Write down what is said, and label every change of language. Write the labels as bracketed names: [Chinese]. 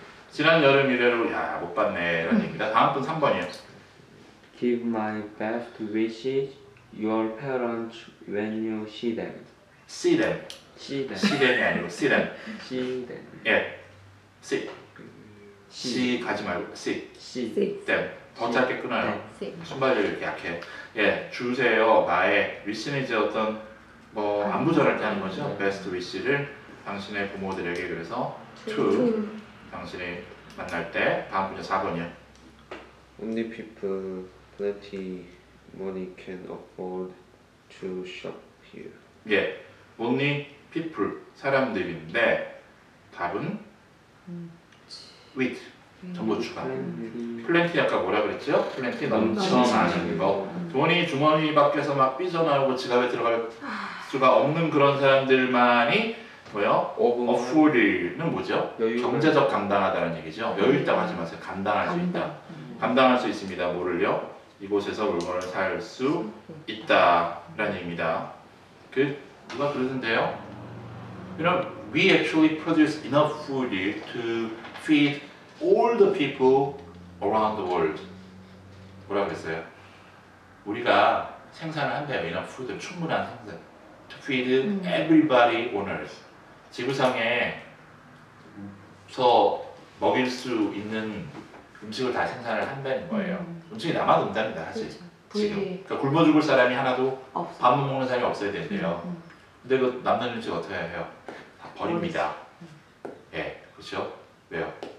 [Korean] 지난 여름 이래로 야 못 봤네 이런 얘기다. 다음 분 3번이에요. [English] Give my best wishes your parents when you see them. See them. See them. See them이 아니고 see them. See them. 예. See. See 가지 말고 see. See [Korean] them. 더 짧게 끊어요. 순발력이 이렇게 약해. 예, 주세요. 나의 wish는 이제 어떤 뭐 안부 전할 때 하는 거죠. Best wish를 당신의 부모들에게 그래서 to 당신이 만날 때 다음 문제 4번이요. [English] Only people plenty money can afford to shop here. [Korean] 예, only people 사람들인데 답은 with. 전부 추가. Plenty 아까 뭐라 그랬죠? Plenty 넘쳐나는 거. 돈이 주머니 밖에서 막 삐져나오고 지갑에 들어갈 수가 없는 그런 사람들만이 뭐요? Afford는 뭐죠? 경제적 감당하다는 얘기죠. 여유 있다고 하지 마세요. 감당할 수 있다. 감당할 수 있습니다. 뭐를요? 이곳에서 물건을 살 수 있다라는 얘기입니다. 그 누가 그러던데요? [English] 그럼 we actually produce enough food to feed all the people around the world. [Korean] 뭐라 그랬어요? 우리가 생산을 한대요. [English] enough food, [Korean] 충분한 생산. [English] to feed everybody on earth. [Korean] 지구상에 더 먹일 수 있는 음식을 다 생산을 한다는 거예요. 음식이 남아도 된답니다, 사실. 그렇죠. 지금. 그러니까 굶어 죽을 사람이 하나도 밥만 먹는 사람이 없어야 된대요. 근데 그 남는 음식 어떻게 해요? 다 버립니다. 예, 네, 그렇죠? 왜요?